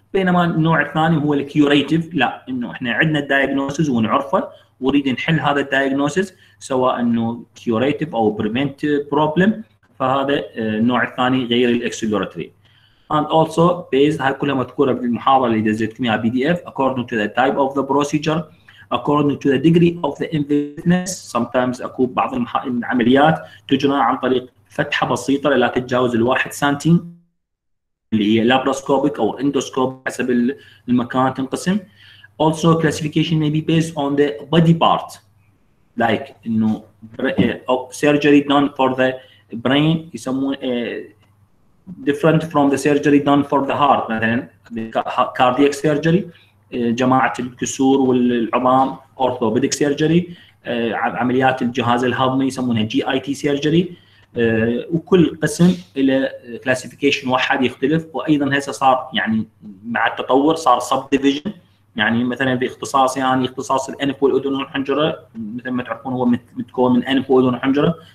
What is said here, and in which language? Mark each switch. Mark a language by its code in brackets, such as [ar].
[ar] بينما النوع الثاني هو الكيوريتيف، لا، انه احنا عندنا الدايجنوسيس ونعرفه وريد نحل هذا الدايجنوسيس، سواء انه كيوريتيف او [en] prevent problem, [ar] فهذا النوع الثاني غير الاكسبلورتوري. [en] And also based [ar] هاي كلها مذكورة بالمحاضرة اللي دزيتكم اياها PDF. [en] According to the type of the procedure, according to the degree of the invasiveness. Sometimes [ar] اكو بعض العمليات تجرى عن طريق فتحة بسيطة لا تتجاوز الواحد سنتي، اللي هي laparoscopic او endoscopic حسب المكان تنقسم. [en] Also classification may be based on the body part, like [ar] انه [en] surgery done for the brain [ar] يسمونه [en] different from the surgery done for the heart. [ar] مثلا [en] cardiac surgery [ar] جماعة الكسور والعظام، [en] orthopedic surgery [ar] عمليات الجهاز الهضمي يسمونها [en] GIT surgery. [ar] وكل قسم إلى classification واحد يختلف. وأيضا هسه صار يعني مع التطور صار subdivision، يعني مثلا باختصاص يعني اختصاص الأنف والأذن والحنجرة، مثل ما تعرفون هو متكون من أنف وأذن وحنجرة.